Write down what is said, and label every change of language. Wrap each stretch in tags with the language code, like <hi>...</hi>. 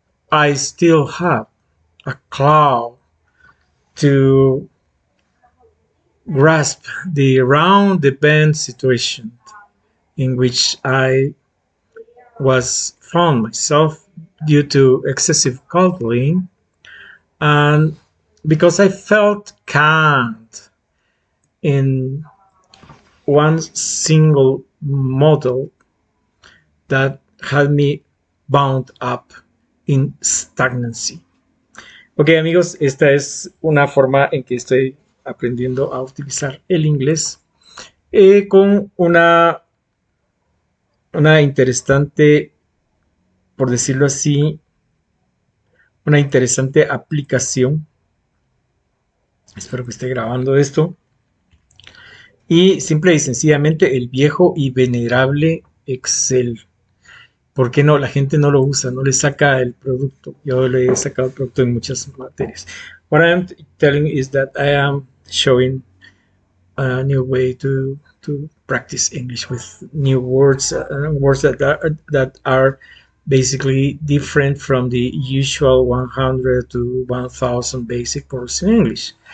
<en>I still have a claw to grasp the round the bend situation in which I was found myself due to excessive cuddling, and because I felt canned in one single model that had me bound up in stagnancy.</en> <es>Okay, amigos, esta es una forma en que estoy aprendiendo a utilizar el inglés con una interesante, por decirlo así, una interesante aplicación. Espero que esté grabando esto. Y simple y sencillamente el viejo y venerable Excel. ¿Por qué no? La gente no lo usa, no le saca el producto. Yo le he sacado el producto en muchas materias.</es> <en>What I'm telling is that I am showing a new way to practice English with new words, words that are basically different from the usual 100 to 1000 basic words in English.</en>